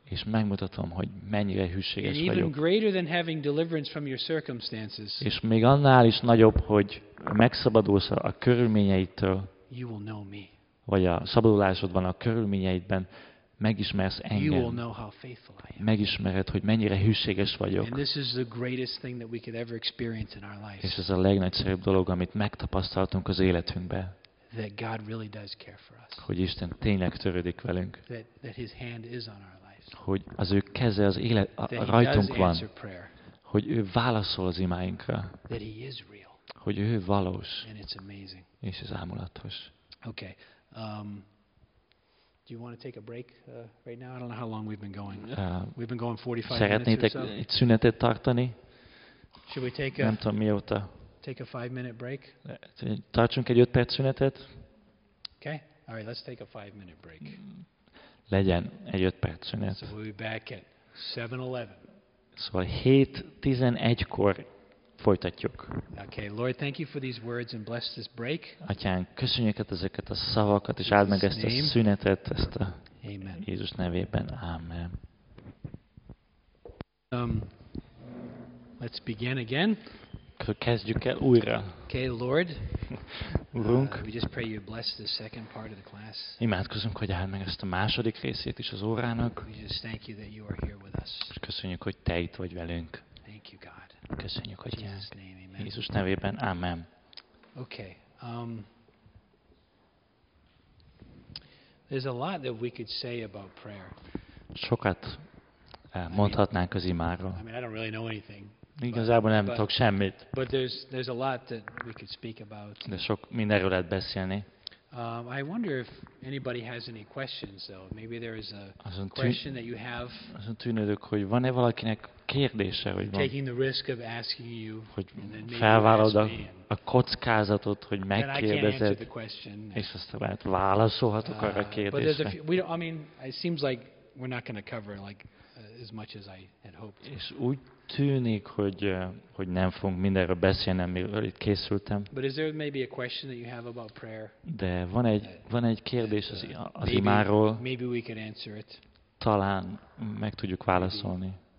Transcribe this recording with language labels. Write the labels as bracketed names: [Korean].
[Hungarian] És megmutatom, hogy mennyire hűséges [English] and [Hungarian] vagyok. [English] Even greater than having deliverance from your circumstances. [Hungarian] És még annál is nagyobb, hogy megszabadulsz a körülményeidtől. [English] You will know me. [Hungarian] Vagy a szabadulásodban a körülményeidben. Megismersz engem. [English] You will know how faithful I am. [Hungarian] Megismered, hogy mennyire hűséges vagyok. [English] And this is the greatest thing that we could ever experience in our life. [Hungarian] És ez a legnagyszerűbb dolog, amit megtapasztaltunk az életünkben. [English] That God really does care for us. [Hungarian] Hogy Isten tényleg törődik velünk. [English] That his hand is on our lives. [Hungarian] Hogy az ő keze az élet rajtunk van. [English] That he does answer prayer. [Hungarian] Hogy ő válaszol az imáinkra. [English] That he is real. [Hungarian] Hogy ő valós. [English] And it's amazing. [Hungarian] És ez ámulatos. [English] Okay. Do you want to take a break right now? I don't know how long we've been going. We've been going 45 minutes or so. [Hungarian] Szeretnétek egy szünetet tartani? [English] Should we take [Hungarian] nem tudom mióta. [English] Take a 5-minute break? [Hungarian] Tartsunk egy 5 perc szünetet. [English] Okay. All right, let's take a 5-minute break. [Hungarian] Legyen egy 5 perc szünet. [English] So we'll be back at 7:11. [Hungarian] Szóval 7:11-kor folytatjuk. [English] Okay, Lord, thank you for these words and bless this break. [Hungarian] Atyán, köszönjük ezeket a szavakat, és áld meg ezt a szünetet, ezt a [English] Amen. [Hungarian] Jézus nevében. Amen. [English] Let's begin again. [Hungarian] Kezdjük el újra. [English] Okay, Lord. [Hungarian] Urunk, [English] we just pray you bless the second part of the class. [Hungarian] Imádkozunk, hogy áld meg ezt a második részét is az órának. [English] We just thank you that you are here with us. [Hungarian] És köszönjük, hogy te itt vagy velünk. [English] Thank you, God. [Hungarian] Köszönjük, hogy [English] Jézus name, amen. [Hungarian] Jézus nevében, amen. [English] Okay. There's a lot that we could say about prayer. [Hungarian] Sokat mondhatnánk az imáról. [English] I mean, I don't really know anything. [Hungarian] Igazából nem tudok semmit. [English] But there's a lot that we could speak about. [Hungarian] De sok mindenről lehet beszélni. [English] I wonder if anybody has any questions though. Maybe there is a question that you have. [Hungarian] Azon tűnődök, hogy van-e valakinek kérdése, hogy van. [English] Taking the risk of asking you, [Hungarian] hogy felvállalod a kockázatot, hogy megkérdezed. És azt lehet válaszolhatok arra a kérdésre. [English] We're not going to cover like as much as I had hoped. [Hungarian] És úgy tűnik, hogy nem fogunk mindenről beszélni, amiről itt készültem. [English] But is there maybe a question that you have about prayer? [Hungarian] De van egy kérdés az imáról. [English] Maybe we could answer it. [Hungarian] Talán meg tudjuk válaszolni.